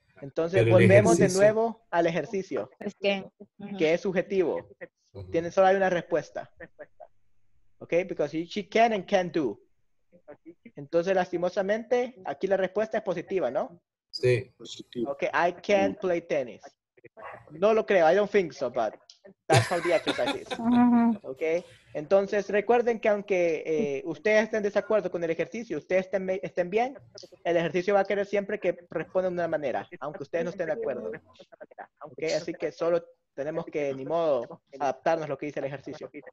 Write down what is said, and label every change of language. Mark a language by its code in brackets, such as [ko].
[es] Entonces volvemos de nuevo al ejercicio. Es que, que es subjetivo. Uh-huh. Tiene solo hay una respuesta. Ok, [en] because she can and can't do. [es] Entonces, lastimosamente, aquí la respuesta es positiva, ¿no? Sí, positivo. [en] Okay, I can't play tennis. [es] No lo creo, [en] I don't think so, but that's how the exercise is. [es] Okay, entonces recuerden que aunque ustedes estén en desacuerdo con el ejercicio, ustedes estén bien, el ejercicio va a querer siempre que respondan de una manera, aunque ustedes no estén de acuerdo. Okay, así que solo tenemos que, ni modo, adaptarnos a lo que dice el ejercicio.